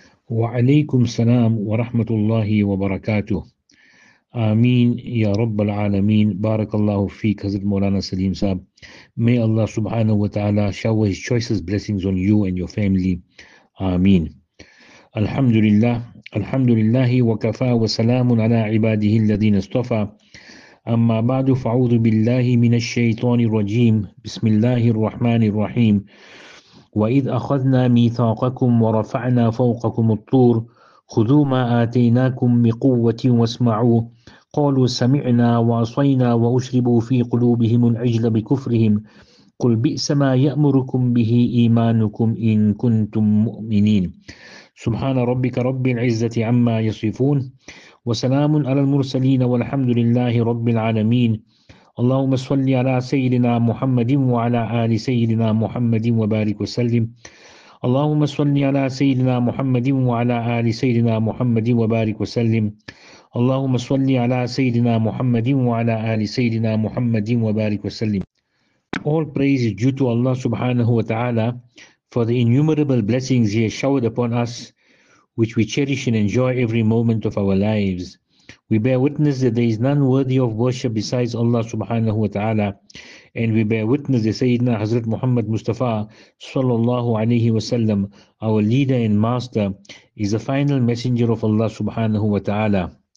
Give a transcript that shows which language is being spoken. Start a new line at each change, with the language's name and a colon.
Arabic: وعليكم السلام ورحمة الله وبركاته. آمين يا رب العالمين. بارك الله فيك حضرت مولانا سليم صاحب.
English: May Allah subhanahu wa ta'ala shower his choicest blessings on you and your family.
Arabic: آمين. الحمد لله الحمد لله وكفى وسلام على عباده الذين اصطفى. أما بعد، فأعوذ بالله من الشيطان الرجيم. بسم الله الرحمن الرحيم. وإذ أخذنا ميثاقكم ورفعنا فوقكم الطور خذوا ما آتيناكم بقوة واسمعوا قالوا سمعنا وعصينا وأشربوا في قلوبهم العجل بكفرهم قل بئس ما يأمركم به إيمانكم إن كنتم مؤمنين. سبحان ربك رب العزة عما يصفون وسلام على المرسلين والحمد لله رب العالمين. اللهم صل على سيدنا محمد وعلى آل سيدنا محمد وبارك وسلم. اللهم صل على سيدنا محمد وعلى آل سيدنا محمد وبارك وسلم. اللهم صل على سيدنا محمد وعلى آل سيدنا محمد وبارك وسلم.
English: All praise is due to Allah subhanahu wa ta'ala for the innumerable blessings He has showered upon us, which we cherish and enjoy every moment of our lives. We bear witness that there is none worthy of worship besides Allah subhanahu wa ta'ala, and we bear witness that Sayyidina Hazrat Muhammad Mustafa sallallahu alayhi wa sallam, our leader and master, is the final messenger of Allah subhanahu wa ta'ala.